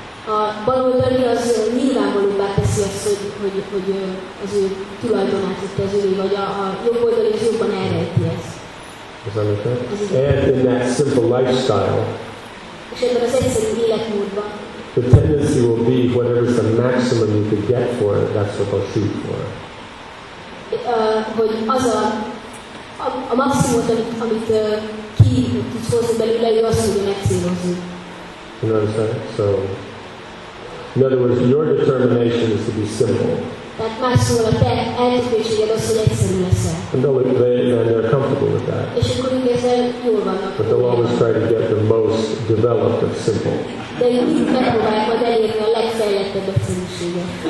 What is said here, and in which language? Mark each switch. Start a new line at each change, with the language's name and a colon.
Hungarian: A bal oldali az nyilvánvalóbbá teszi azt, hogy az ő tulajdonát kezeli, vagy a jobb oldali az jobban elrejti ezt.
English: Does that make sense? And in that simple lifestyle,
Hungarian: és ebben az egyszerű életmódban,
English: the tendency will be whatever is the maximum you could get for it, that's what they'll shoot for.
Hungarian: Hogy az a maximumot, amit ki tudsz hozni belőle, ő azt tudja megcélozni.
English: You know what I'm saying? So, in other words, your determination is to be simple.
Hungarian: Tehát más szóval a te eltökéséged az, hogy egyszerű leszel.
English: And they'll play it and they're comfortable with that.
Hungarian: És akkor ugye ezzel jól vannak.
English: But they'll always try to get the most developed of simple.
Hungarian: De így megpróbálják majd elérni a legfejlettebb egyszerűséget.